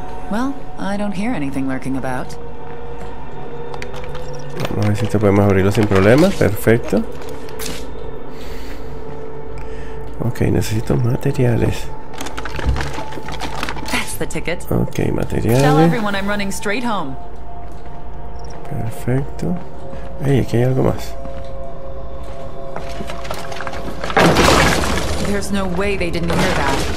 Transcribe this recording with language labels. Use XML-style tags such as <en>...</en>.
<en>Well, I don't hear anything lurking about.</en> <es>Vamos a ver si esto podemos abrirlo sin problemas. Perfecto. Ok, necesito materiales.</es> <en>That's the ticket.</en> <es>Ok, materiales.</es> <en>Tell everyone I'm running straight home.</en> <es>Perfecto. Hey, aquí hay algo más.</es> <en>There's no way they didn't hear that.</en>